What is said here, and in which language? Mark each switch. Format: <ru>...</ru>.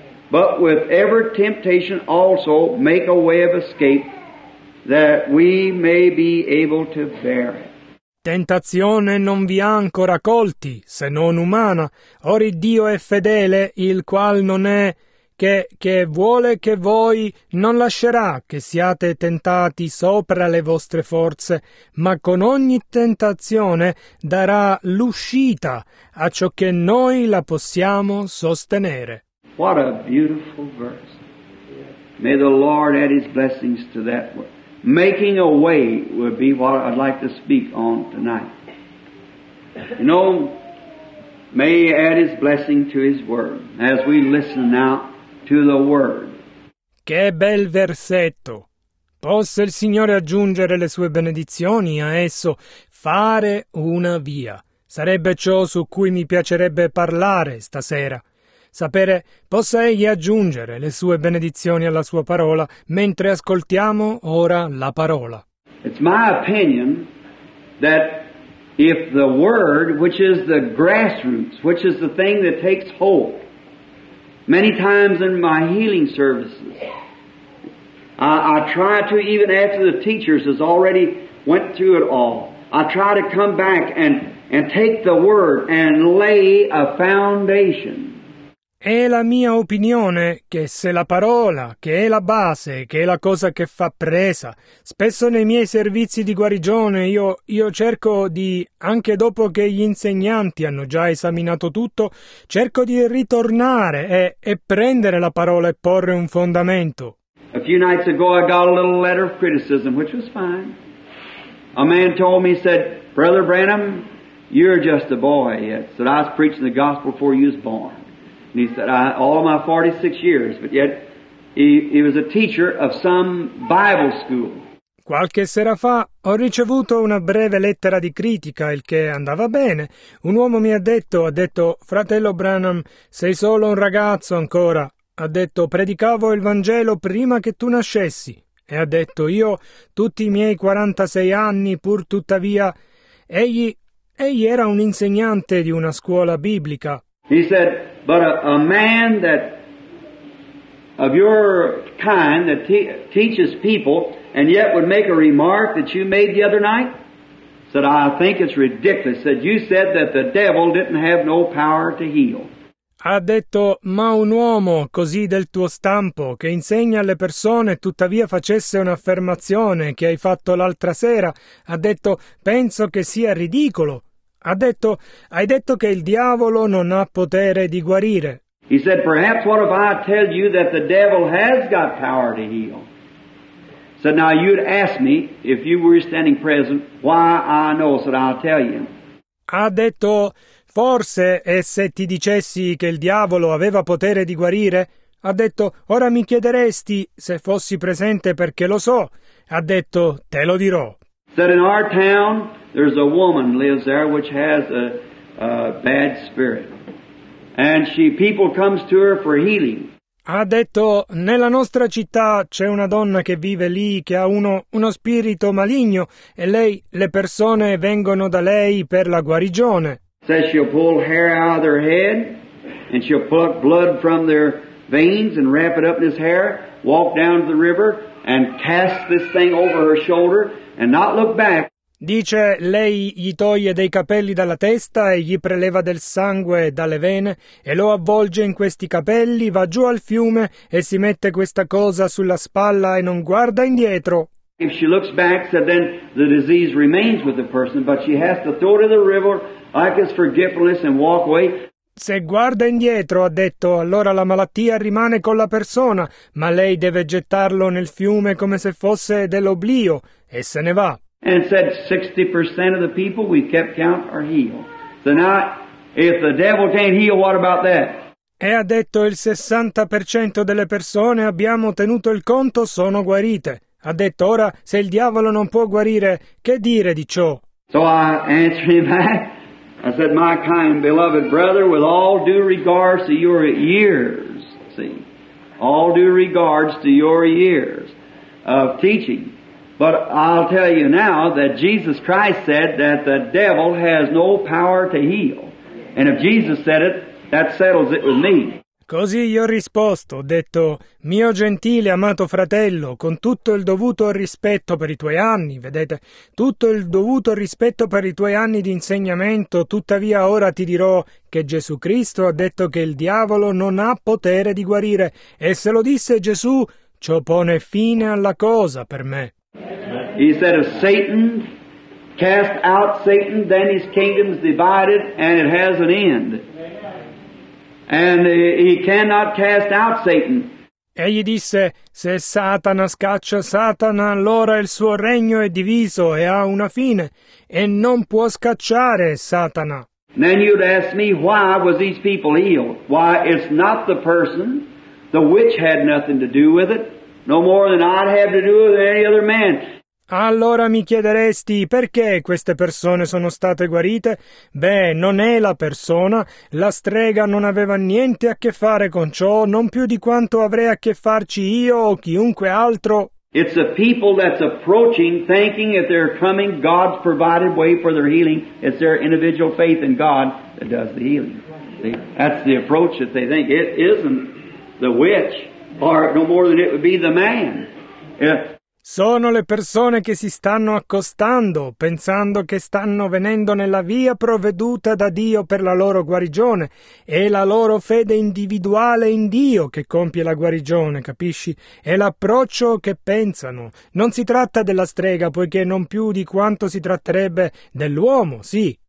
<en>But with every temptation also make a way of escape, that we may be able to bear it.</en> <it>Tentazione non vi ha ancora colti, se non umana. Or Dio è fedele, il qual non è, che vuole che voi non lascerà che siate tentati sopra le vostre forze, ma con ogni tentazione darà l'uscita a ciò che noi la possiamo sostenere.</it> <en>What a beautiful verse. May the Lord add His blessings to that word. Making a way would be what I'd like to speak on tonight. You know, may He add His blessing to His word as we listen now to the word.</en> <it>Che bel versetto! Possa il Signore aggiungere le sue benedizioni a esso, fare una via. Sarebbe ciò su cui mi piacerebbe parlare stasera. Sapere, possa egli aggiungere le sue benedizioni alla sua parola mentre ascoltiamo ora la parola.</it> <en>It's my opinion that if the word, which is the grassroots, which is the thing that takes hold, many times in my healing services, I try to, even after the teachers has already went through it all, I try to come back and take the word and lay a foundation.</en> <it>È la mia opinione che se la parola, che è la base, che è la cosa che fa presa, spesso nei miei servizi di guarigione io cerco di, anche dopo che gli insegnanti hanno già esaminato tutto, cerco di ritornare e prendere la parola e porre un fondamento.</it> <en>A few nights ago I got a little letter of criticism, which was fine. A man told me, said, Brother Branham, you're just a boy yet, said, I was preaching the gospel before you was born. And he said, all my 46 years, but yet he was a teacher of some Bible school.</en> <it>Qualche sera fa ho ricevuto una breve lettera di critica, il che andava bene. Un uomo mi ha detto, fratello Branham, sei solo un ragazzo ancora. Ha detto, predicavo il Vangelo prima che tu nascessi. E ha detto, io tutti i miei 46 anni, pur tuttavia, egli era un insegnante di una scuola biblica.</it> <en>He said, but a man that of your kind that teaches people and yet would make a remark that you made the other night? Said, I think it's ridiculous. Said, you said that the devil didn't have no power to heal.</en> <it>Ha detto, ma un uomo così del tuo stampo che insegna alle persone tuttavia facesse un'affermazione che hai fatto l'altra sera, ha detto, penso che sia ridicolo. Ha detto, hai detto che il diavolo non ha potere di guarire.</it> <en>He said, perhaps what if I tell you that the devil has got power to heal? Said, now you'd ask me, if you were standing present, why I know, said, I'll tell you.</en> <it>Ha detto, forse, e se ti dicessi che il diavolo aveva potere di guarire? Ha detto, ora mi chiederesti se fossi presente perché lo so. Ha detto, te lo dirò.</it> <en>Said, in our town, there's a woman lives there which has a bad spirit. And people comes to her for healing.</en> <it>Ha detto, nella nostra città c'è una donna che vive lì che ha uno spirito maligno e lei, le persone vengono da lei per la guarigione.</it> <en>Says she'll pull hair out of their head and she'll pluck blood from their veins and wrap it up in his hair, walk down to the river and cast this thing over her shoulder and not look back.</en> <it>Dice, lei gli toglie dei capelli dalla testa e gli preleva del sangue dalle vene e lo avvolge in questi capelli, va giù al fiume e si mette questa cosa sulla spalla e non guarda indietro.</it> <en>If she looks back, so then the disease remains with the person, but she has to throw it in the river like it's forgiveness and walk away.</en> <it>Se guarda indietro, ha detto, allora la malattia rimane con la persona, ma lei deve gettarlo nel fiume come se fosse dell'oblio e se ne va.</it> <en>And said 60% of the people we kept count are healed. So now, if the devil can't heal, what about that?</en> <it>E ha detto il 60% delle persone abbiamo tenuto il conto sono guarite. Ha detto ora se il diavolo non può guarire, che dire di ciò?</it> <en>So I answered him back. I said, my kind beloved brother, with all due regards to your years, see, all due regards to your years of teaching. But I'll tell you now that Jesus Christ said that the devil has no power to heal. And if Jesus said it, that settles it with me.</en> <it>Così io ho risposto, ho detto, mio gentile amato fratello, con tutto il dovuto rispetto per i tuoi anni, vedete, tutto il dovuto rispetto per i tuoi anni di insegnamento, tuttavia ora ti dirò che Gesù Cristo ha detto che il diavolo non ha potere di guarire. E se lo disse Gesù, ciò pone fine alla cosa per me.</it> <en>He said, if Satan cast out Satan, then his kingdom is divided and it has an end. And he cannot cast out Satan.</en> <it>Egli disse, se Satana scaccia Satana, allora il suo regno è diviso e ha una fine, e non può scacciare Satana.</it> <en>Then you'd ask me, why was these people healed? Why, it's not the person. The witch had nothing to do with it. No more than I'd have to do with any other man.</en> <it>Allora mi chiederesti perché queste persone sono state guarite? Beh, non è la persona. La strega non aveva niente a che fare con ciò, non più di quanto avrei a che farci io o chiunque altro.</it> <en>It's the people that's approaching, thinking if they're coming, God's provided way for their healing. It's their individual faith in God that does the healing. See? That's the approach that they think. It isn't the witch. Or no more than it would be the man. Yeah.</en> <it>Sono le persone che si stanno accostando, pensando che stanno venendo nella via provveduta da Dio per la loro guarigione. È la loro fede individuale in Dio che compie la guarigione, capisci? È l'approccio che pensano. Non si tratta della strega, poiché non più di quanto si tratterebbe dell'uomo, sì.</it>